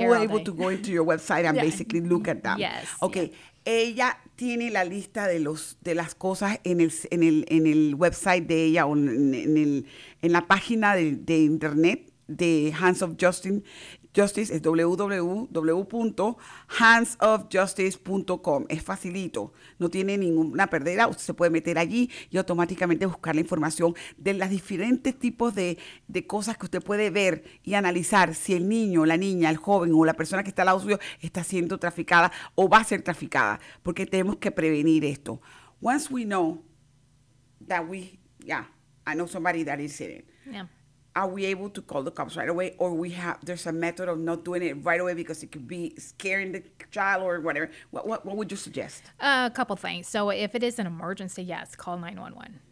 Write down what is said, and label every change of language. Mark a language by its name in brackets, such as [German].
[English] They were able to go into your website and basically look at them. Yes. Okay. Yeah. [Spanish] Ella tiene la lista de las cosas en el website de ella, o en la página de internet de Hands of Justice. Es www.handsofjustice.com. Es facilito. No tiene ninguna perdera. Usted se puede meter allí y automáticamente buscar la información de los diferentes tipos de cosas que usted puede ver y analizar si el niño, la niña, el joven o la persona que está al lado suyo está siendo traficada o va a ser traficada. Porque tenemos que prevenir esto. [English] Once we know that I know somebody that is in it. Yeah. Are we able to call the cops right away, or there's a method of not doing it right away because it could be scaring the child or whatever? What would you suggest? A couple things. So if it is an emergency, yes, call 911.